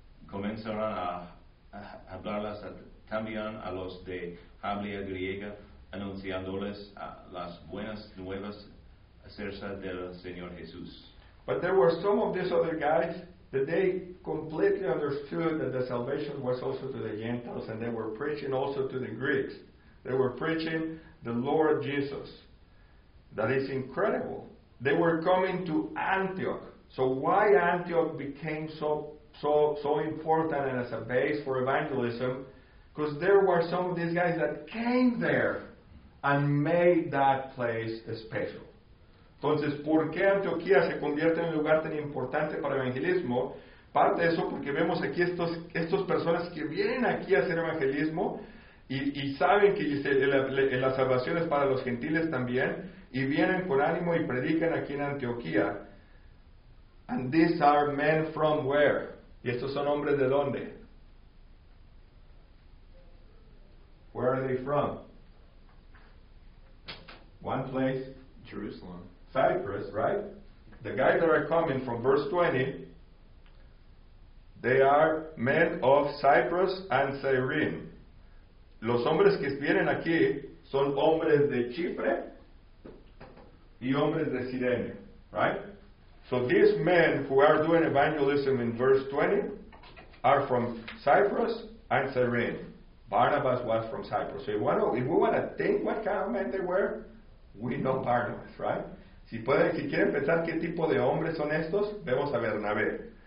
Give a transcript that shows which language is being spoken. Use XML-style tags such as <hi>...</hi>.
<es>Comenzarán a hablarlas también a los de habla griega, anunciándoles las buenas nuevas acerca del Señor Jesús.</es> <en>But there were some of these other guys that they completely understood that the salvation was also to the Gentiles, and they were preaching also to the Greeks. They were preaching the Lord Jesus. That is incredible. They were coming to Antioch. So why Antioch became so important and as a base for evangelism? Because there were some of these guys that came there and made that place special.</en> <es>Entonces, ¿por qué Antioquía se convierte en un lugar tan importante para evangelismo? Parte de eso porque vemos aquí estos personas que vienen aquí a hacer evangelismo y saben que la salvación es para los gentiles también, y vienen con ánimo y predican aquí en Antioquía.</es> <en>And these are men from where?</en> <es>¿Y estos son hombres de dónde?</es> <en>Where are they from? One place, Jerusalem. Cyprus, right? The guys that are coming from verse 20, they are men of Cyprus and Cyrene.</en> <es>Los hombres que vienen aquí son hombres de Chipre y hombres de Cirene, right?</es> <en>So these men who are doing evangelism in verse 20 are from Cyprus and Cyrene. Barnabas was from Cyprus. So if we want to think what kind of men they were, we know Barnabas, right?</en> <es>Si quieren pensar qué tipo de hombres son estos, vemos a Bernabé.</es>